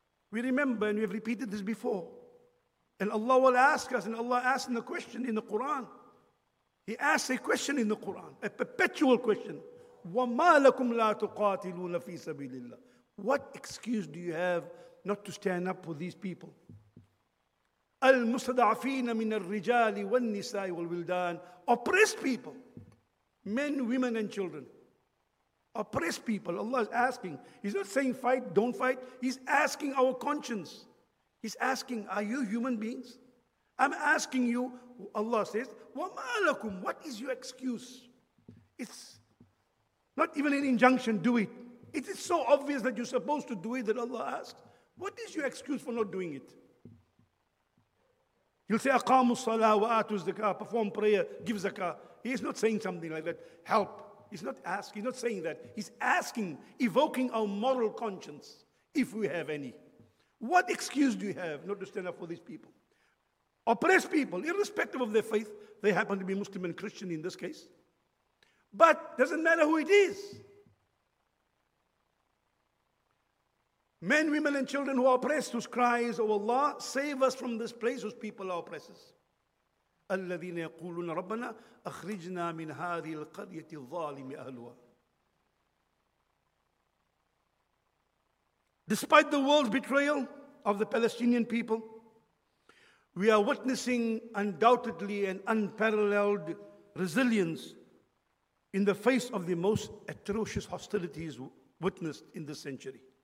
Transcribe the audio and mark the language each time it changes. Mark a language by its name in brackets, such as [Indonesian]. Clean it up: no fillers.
[English] We remember, and we have repeated this before, and Allah will ask us, and Allah asks the question in the Quran. He asks a question in the Quran, a perpetual question. [Arabic] وَمَا لَكُمْ لَا تُقَاتِلُونَ فِي سَبِيلِ اللَّهِ [English] What excuse do you have not to stand up for these people? [Arabic] الْمُسْتَضَعْفِينَ مِنَ الرِّجَالِ وَالنِّسَاءِ وَالْوِلْدَانِ [English] Oppressed people. Men, women, and children. Oppressed people. Allah is asking. He's not saying fight, don't fight. He's asking our conscience. He's asking, are you human beings? I'm asking you, Allah says, [Arabic] وَمَا لَكُمْ [English] What is your excuse? It's not even an injunction, do it. It is so obvious that you're supposed to do it that Allah asks. What is your excuse for not doing it? He'll say, [Arabic] أَقَامُ الصَّلَاةُ وَآتُوا الزَّكَاةُ [English] Perform prayer, give zakah. He is not saying something like that. Help. He's not asking. He's not saying that. He's asking, evoking our moral conscience, if we have any. What excuse do you have not to stand up for these people? Oppressed people, irrespective of their faith, they happen to be Muslim and Christian in this case. But doesn't matter who it is. Men, women, and children who are oppressed, whose cries, O Allah, save us from this place whose people are oppressors. [Arabic] الذين يقولون ربنا أخرجنا من هذه القرية الظالم أهلها. [English] Despite the world's betrayal of the Palestinian people, we are witnessing undoubtedly an unparalleled resilience in the face of the most atrocious hostilities witnessed in this century.